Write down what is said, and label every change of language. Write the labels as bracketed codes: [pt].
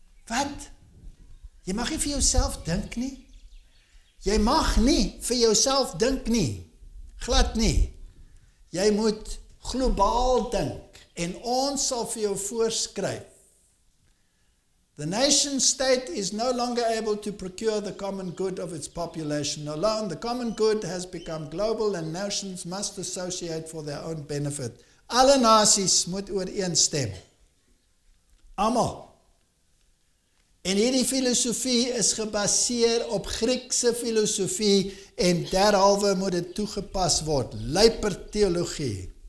[af] Wat? Jy mag nie vir jouself dink nie. Jy mag nie vir jouself dink nie. Glad nie, jy moet globaal dink en ons sal vir jou voorskryf. [en] The nation state is no longer able to procure the common good of its population alone. The common good has become global and nations must associate for their own benefit. [af] Alle nasies moet ooreenstem. Almal. En hierdie filosofie is gebaseer op Griekse filosofie en derhalwe moet dit toegepas word, luiper teologie.